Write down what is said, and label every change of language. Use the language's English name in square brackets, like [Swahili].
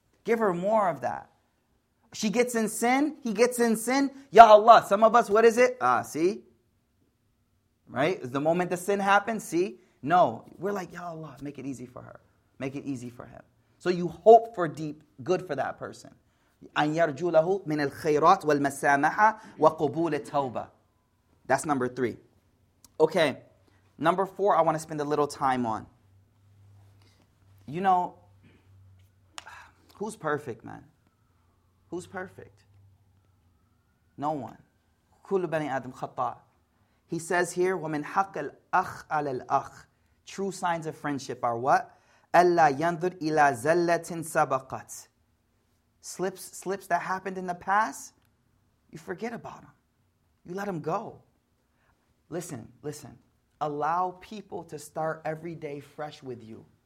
[English] Give her more of that. She gets in sin, he gets in sin. Ya Allah, some of us, what is it? See? Right? The moment the sin happens, see? No. We're like, Ya Allah, make it easy for her. Make it easy for him. So you hope for deep good for that person. [Arabic] أن يرجو له من الخيرات والمسامحة وقبول التوبة. [English] That's number three. Okay, number four I want to spend a little time on. You know, who's perfect, man? Who's perfect? No one. [Arabic] كل بني آدم خطاء. [English] He says here, [Arabic] وَمِنْ حَقِّ الْأَخِ عَلَى الْأَخِ. [English] True signs of friendship are what? [Arabic] أَلَّا يَنْظُرْ إِلَى زَلَّةٍ سَبَقَتْ. [English] Slips that happened in the past, you forget about them. You let them go. Listen. Allow people to start every day fresh with you.